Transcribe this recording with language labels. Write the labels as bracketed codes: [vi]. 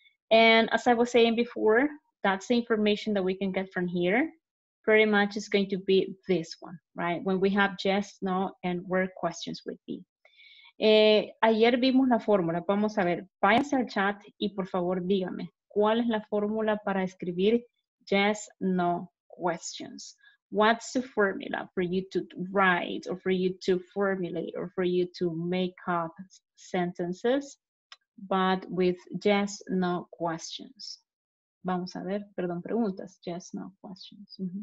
[en] And as I was saying before, that's the information that we can get from here. Pretty much is going to be this one, right? When we have yes, no, and where questions would be. [es] Ayer vimos la fórmula. Vamos a ver. Váyase al chat y por favor dígame cuál es la fórmula para escribir yes, no questions. [en] What's the formula for you to write or for you to formulate or for you to make up sentences? But with yes, no questions. [es] Vamos a ver, perdón, preguntas. [en] Yes, no questions.